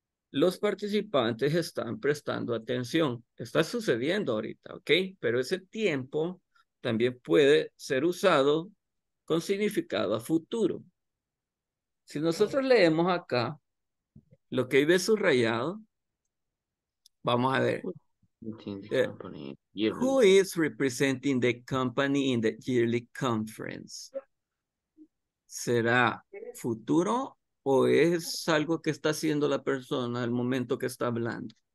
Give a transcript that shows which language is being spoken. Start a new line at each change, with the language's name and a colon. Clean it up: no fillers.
Spanish: Los participantes están prestando atención. Está sucediendo ahorita, ¿ok? Pero ese tiempo también puede ser usado con significado a futuro. Si nosotros leemos acá lo que iba subrayado, vamos a ver.
English: Who is representing the company in the yearly conference?
Spanish: ¿Será futuro o es algo que está haciendo la persona al momento que está hablando?